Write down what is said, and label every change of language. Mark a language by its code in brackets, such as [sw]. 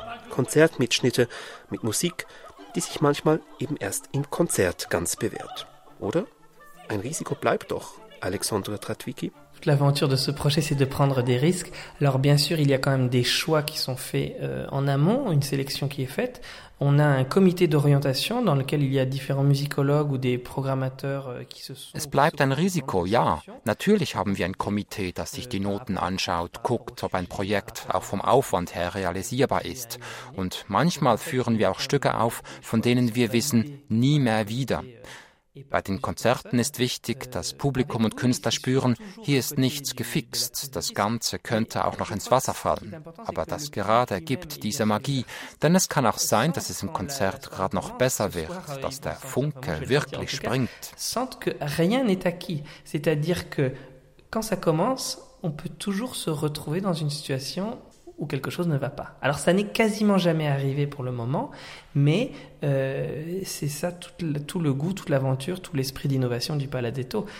[de] Konzertmitschnitte mit Musik, die sich manchmal eben erst im Konzert ganz bewährt. Oder? Ein Risiko bleibt doch, Alexandre Tratwicki. [fr] L'aventure de ce projet, c'est de prendre des risques. Alors bien sûr, il y a quand même des choix qui sont faits en amont, une sélection qui est faite. On a un comité d'orientation dans lequel il y a différents musicologues ou des programmateurs qui se sont... [de] Es bleibt ein Risiko, ja. Natürlich haben wir ein Komitee, das sich die Noten anschaut, guckt, ob ein Projekt auch vom Aufwand her realisierbar ist. Und manchmal führen wir auch Stücke auf, von denen wir wissen, nie mehr wieder. Bei den Konzerten ist wichtig, dass Publikum und Künstler spüren, hier ist nichts gefixt, das Ganze könnte auch noch ins Wasser fallen. Aber das gerade ergibt diese Magie, denn es kann auch sein, dass es im Konzert gerade noch besser wird, dass der Funke wirklich springt. [fr] Sent que rien n'est acquis, c'est-à-dire que quand ça commence, on peut toujours se retrouver dans une situation où quelque chose ne va pas. Alors ça n'est quasiment jamais arrivé pour le moment, mais c'est ça tout le goût, toute l'aventure, tout l'esprit d'innovation du Paladetto.